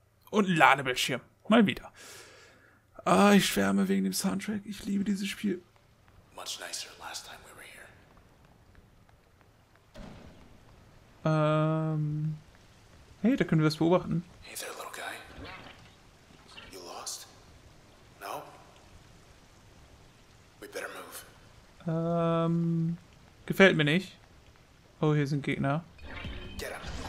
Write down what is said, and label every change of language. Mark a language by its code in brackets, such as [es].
[de] Und ein Ladebildschirm. Mal wieder. Ah, ich schwärme wegen dem Soundtrack. Ich liebe dieses Spiel. [en] Much nicer last time we were here. [de] Hey, da können wir was beobachten. [en] Hey there, little guy. You lost? No? We better move. [de] Gefällt mir nicht. Oh, hier sind Gegner. [en] Get up.